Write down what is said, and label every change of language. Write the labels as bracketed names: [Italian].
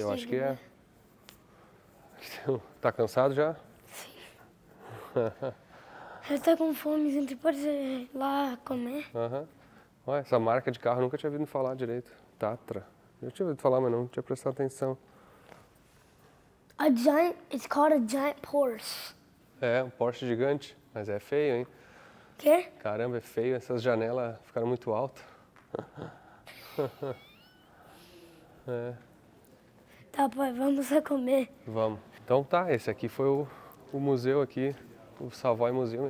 [Portuguese] Eu acho que é. Tá cansado já? Sim. Eu tô com fome, gente. Pode ir lá comer? Aham. Uhum. Olha, essa marca de carro eu nunca tinha ouvido falar direito. Tatra. Eu tinha ouvido falar, mas não tinha prestado atenção. [English] A giant, it's called a giant Porsche. [Portuguese] É, um Porsche gigante, mas é feio, hein? Quê? Caramba, é feio, essas janelas ficaram muito altas. É. Tá, pai, vamos a comer. Vamos. Então tá, esse aqui foi o museu aqui, o Savoy Museum.